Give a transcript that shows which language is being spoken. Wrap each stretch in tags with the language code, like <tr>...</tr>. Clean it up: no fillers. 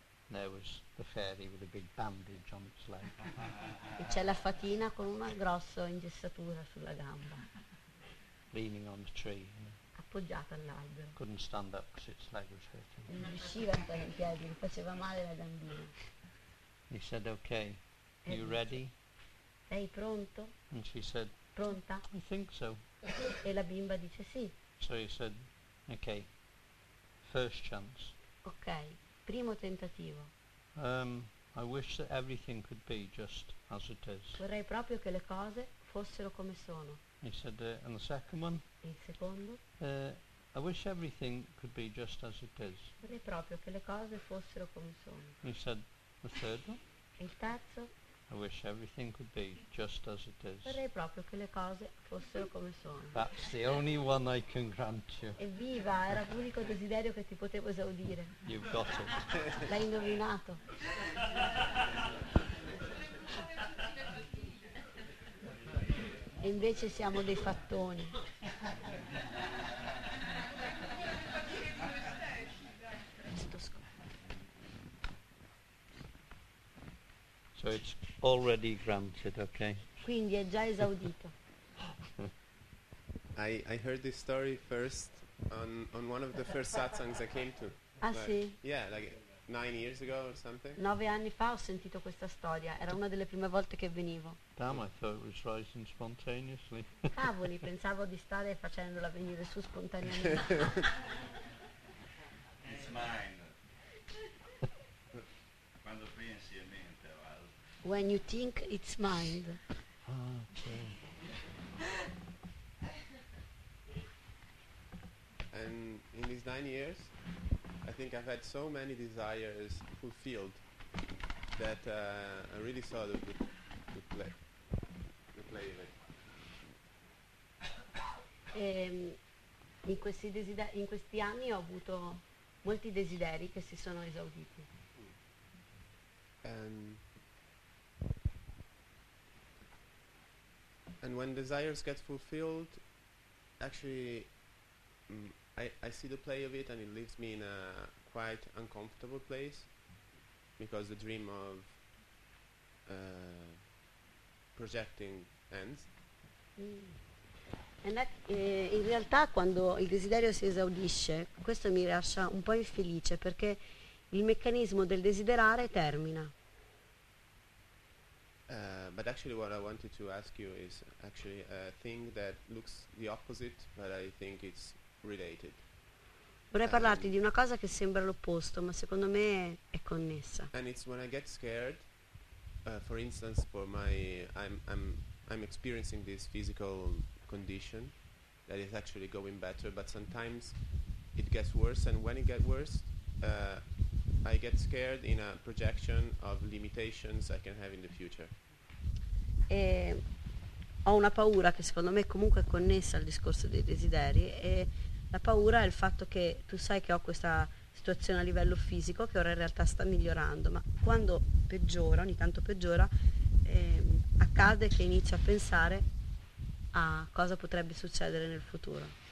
<en>There was the fairy with a big bandage on its leg.</en> <it>E c'è la fatina con una grossa ingessatura sulla gamba.</it> <en>Leaning on the tree.</en> <it>Appoggiata all'albero.</it> <en>Couldn't stand up because its leg was hurting.</en> <it>Non riusciva a stare in piedi, gli faceva male la gambina.</it> <en>He said, okay, are you ready?</en> <it>Sei pronto?</it> <en>And she said,</en> <it>pronta?</it> <en>I think so.</en> <it>E la bimba dice sì.</it> <en>So he said, okay, first chance.</en> <it>Ok, primo tentativo.</it> <en>I wish that everything could be just as it is.</en> <it>Vorrei proprio che le cose fossero come sono.</it> <en>He said, and the second one?</en> <it>Il secondo?</it> <en>I wish everything could be just as it is.</en> <it>Vorrei proprio che le cose fossero come sono.</it> <en>He said, the third one?</en> <it>E il terzo?</it> <en>I wish everything could be just as it is.</en> <it>Vorrei proprio che le cose fossero come sono.</it> <en>That's the only one I can grant you.</en> <it>Evviva, era l'unico desiderio che ti potevo esaudire.</it> <en>You've got it.</en> <it>L'hai indovinato. E invece siamo dei fattoni.</it> <en>So it's already granted, okay?</en> <it>Quindi è già esaudito.</it> <en>I heard this story first on one of the first satsangs I came to.</en> <it>Ah sì?</it> <en>Yeah, like 9 years ago or something.</en> <it>9 anni fa ho sentito questa storia, era una delle prime volte che venivo.</it> <en>Damn, I thought it was rising spontaneously.</en> <it>Cavoli, pensavo di stare facendola venire su spontaneamente.</it> <en>It's mine.</en> <it>Quando pensi a me.</it> <en>When you think, it's mind. Okay. And in these 9 years, I think I've had so many desires fulfilled that I really saw the play of it.</en> <it>In questi anni ho avuto molti desideri che si sono esauditi.</it> <en>And when desires get fulfilled, actually, I see the play of it, and it leaves me in a quite uncomfortable place, because the dream of projecting ends.</en> <it>In realtà, quando il desiderio si esaudisce, questo mi lascia un po' infelice, perché il meccanismo del desiderare termina.</it> <en>But actually what I wanted to ask you is actually a thing that looks the opposite, but I think it's related.</en> <it>Vorrei parlarti di una cosa che sembra l'opposto, ma secondo me è connessa.</it> <en>And it's when I get scared, for instance, for my I'm experiencing this physical condition that is actually going better, but sometimes it gets worse, and when it gets worse, I get scared in a projection of limitations I can have in the future.</en> <it>E ho una paura che secondo me comunque è connessa al discorso dei desideri, e la paura è il fatto che tu sai che ho questa situazione a livello fisico che ora in realtà sta migliorando, ma quando peggiora, ogni tanto peggiora, accade che inizio a pensare a cosa potrebbe succedere nel futuro.</it>